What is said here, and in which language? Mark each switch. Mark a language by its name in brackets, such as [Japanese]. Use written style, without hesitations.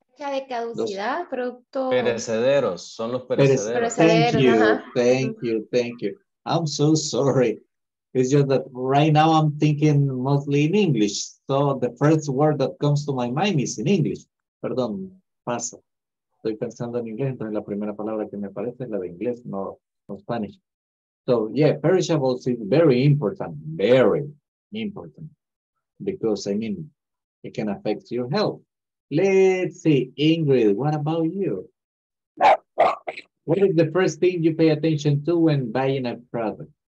[Spanish] Fecha de caducidad, los producto. Perecederos, son los perecederos. [English] Thank you. I'm so sorry. It's just that right now I'm thinking mostly in English. So the first word that comes to my mind is in English. [Spanish] Perdón, pasa. Estoy pensando en inglés, entonces la primera palabra que me aparece es la de inglés, no Spanish. [English] So yeah, perishables is very important. Because I mean, it can affect your health. Let's see, Ingrid, what about you? What is the first thing you pay attention to when buying a product?